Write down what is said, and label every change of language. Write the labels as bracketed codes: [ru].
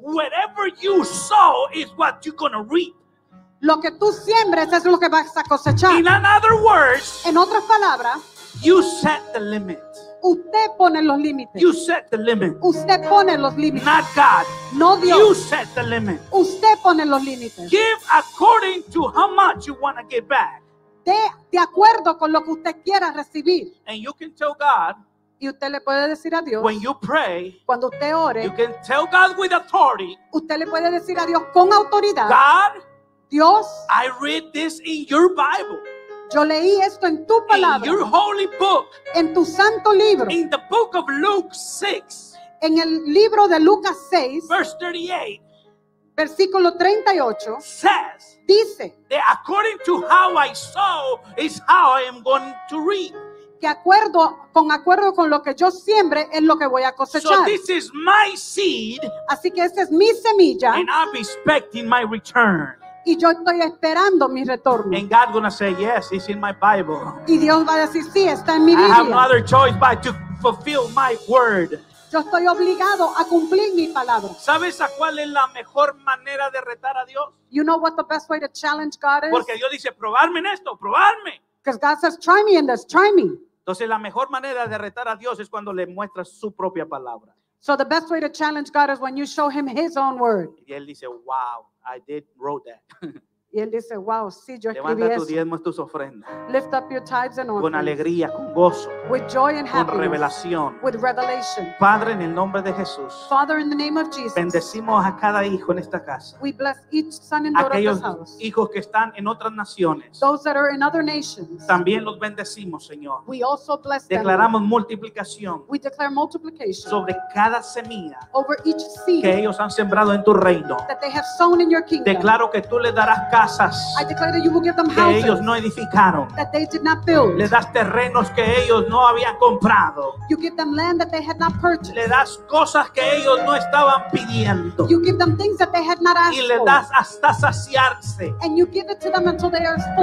[en] whatever you sow is what you're going to reap. [es] Lo que tú siembres es lo que vas a cosechar. [en] In other words, [es] en otras palabras, [en] you set the limit. [es] Usted pone los límites. [en] You set the limit. [es] Usted pone los límites. [en] Not God. [es] No Dios. [en] You set the limit. [es] Usted pone los límites. [en] Give according to how much you want to get back. [es] De acuerdo con lo que usted quiera recibir. [en] And you can tell God. [es] Y usted le puede decir a Dios. [en] When you pray. [es] Cuando usted ore. [en] You can tell God with authority. [es] Usted le puede decir a Dios con autoridad. [en] God. [es] Dios. [en] I read this in your Bible. [es] Yo leí esto en tu palabra. [en] In your holy book. [es] En tu santo libro. [en] In the book of Luke 6. [es] En el libro de Lucas 6. [en] Verse 38. [es] Versículo 38. [en] Says. [es] Dice. [en] That according to how I sow is how I am going to reap. [es] Que acuerdo con lo que yo siembre es lo que voy a cosechar. [en] So this is my seed. [es] Así que esta es mi semilla. [en] And I'm expecting my return. [es] Y yo estoy esperando mi retorno. [en] And God gonna say yes, it's in my Bible. [es] Y Dios va a decir sí, está en mi Biblia. [en] I have no other choice but to fulfill my word. [es] Yo estoy obligado a cumplir mi palabra. ¿Sabes a cuál es la mejor manera de retar a Dios? [en] You know what the best way to challenge God is? [es] Porque Dios dice, probarme en esto, probarme. [en] Because God says, try me in this, try me. [es] Entonces la mejor manera de retar a Dios es cuando le muestras su propia palabra. [en] So the best way to challenge God is when you show him his own word. [es] Y él dice, wow, [en] I did wrote that. [es] Y él dice, wow, sí, yo escribí levanta Levanta tu diezmo y tus ofrendas. [en] Lift up your tithes and offerings. [es] Con alegría, con gozo. [en] With joy and happiness. [es] Con revelación. [en] With revelation. [es] Padre, en el nombre de Jesús. [en] Father, in the name of Jesus. [es] Bendecimos a cada hijo en esta casa. [en] We bless each son and daughter of this house. [es] Aquellos hijos que están en otras naciones. [en] Those that are in other nations. [es] También los bendecimos, Señor. [en] We also bless them. [es] Declaramos multiplicación. [en] We declare multiplication. [es] Sobre cada semilla. [en] Over each seed. [es] Que ellos han sembrado en tu reino. [en] That they have sown in your kingdom. [es] Declaro que tú les darás casas [en] I declare that you will give them [es] que ellos no edificaron. [en] That they did not build. [es] Le das terrenos que ellos no habían comprado. [en] You give them land that they had not purchased. [es] Le das cosas que ellos no estaban pidiendo. [en] You give them things that they had not asked [es] y le das hasta saciarse. [en] And you give it to them until they are full.